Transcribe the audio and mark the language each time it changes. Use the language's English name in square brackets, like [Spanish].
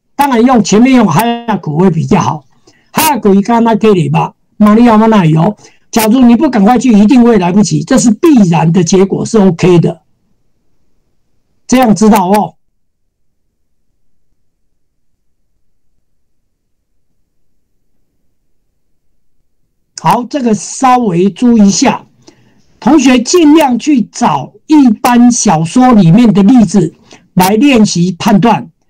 [Chinese] 当然用前面用早く会比较好。 [Japanese] 早く行かなければ間に合わないよ。 [Chinese] 假如你不赶快去一定会来不及。这是必然的结果，是 OK 的。这样知道哦。好，这个稍微注意一下，同学尽量去找一般小说里面的例子来练习判断。